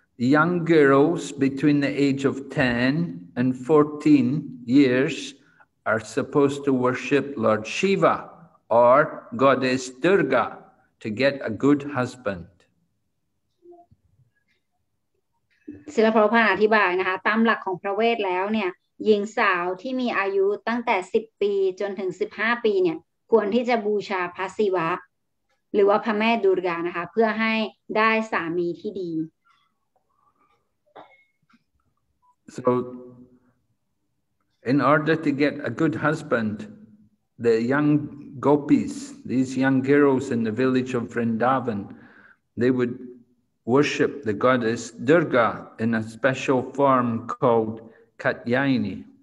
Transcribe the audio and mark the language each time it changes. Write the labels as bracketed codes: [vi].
[en] young girls between the age of 10 and 14 years are supposed to worship Lord Shiva or Goddess Durga to get a good husband. [th] ศิลปพันธ์อธิบายนะคะตามหลักของพระเวทแล้วเนี่ยหญิงสาวที่มีอายุตั้งแต่10ปีจนถึง15ปีเนี่ยควรที่จะบูชาพระศิวะหรือว่าพระแม่ดุรกานะคะเพื่อให้ได้สามีที่ดี [en] So in order to get a good husband the young gopis these young girls in the village of Vrindavan they wouldworship the goddess Durga in a special form called Katyayini.